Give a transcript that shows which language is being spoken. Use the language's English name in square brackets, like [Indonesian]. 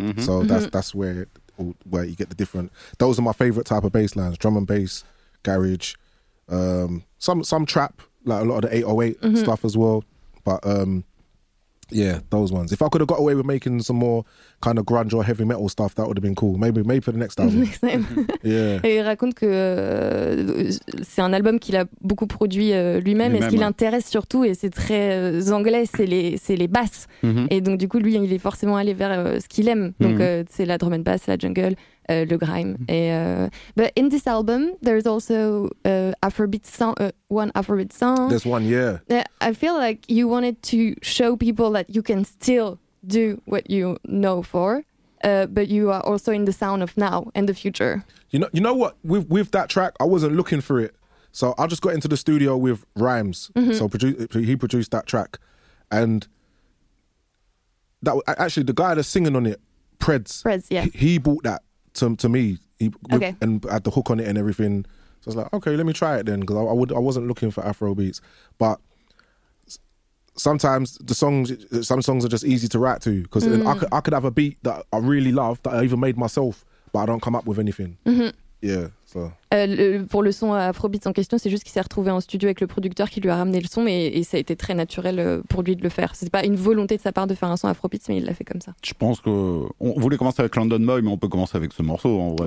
[English] Mm-hmm. So that's where you get the different. Those are my favorite type of bass lines: drum and bass, garage, some trap, like a lot of the 808 mm-hmm. stuff as well. But yeah, those ones. If I could have got away with making some more kind of grunge or heavy metal stuff, that would have been cool. Maybe for the next album. Next time. Yeah. [French] Et il raconte que c'est un album qu'il a beaucoup produit lui-même. Et ce qui l'intéresse surtout, et c'est très anglais, c'est les basses. Mm-hmm. Et donc du coup, lui, il est forcément allé vers ce qu'il aime. Donc mm-hmm. C'est la drum and bass, la jungle, le grime. Mm-hmm. [English] Et but in this album, there's also one Afrobeat song. There's one, yeah. I feel like you wanted to show people that you can still do what you know for, but you are also in the sound of now and the future. You know what? With that track, I wasn't looking for it. So I just got into the studio with Rhymes. Mm-hmm. So he produced that track. And that actually, the guy that's singing on it, Preds, yeah. He bought that to me. And had the hook on it and everything. So I was like, okay, let me try it then. Because I wasn't looking for Afro beats. But sometimes some songs are just easy to write to, because I could have a beat that I really love that I even made myself, but I don't come up with anything. Mm-hmm. Yeah. So. [French] Pour le son Afrobeat en question, c'est juste qu'il s'est retrouvé en studio avec le producteur qui lui a ramené le son, et ça a été très naturel pour lui de le faire. C'est pas une volonté de sa part de faire un son Afrobeat, mais il l'a fait comme ça. Je pense que on voulait commencer avec London Boy, mais on peut commencer avec ce morceau en vrai,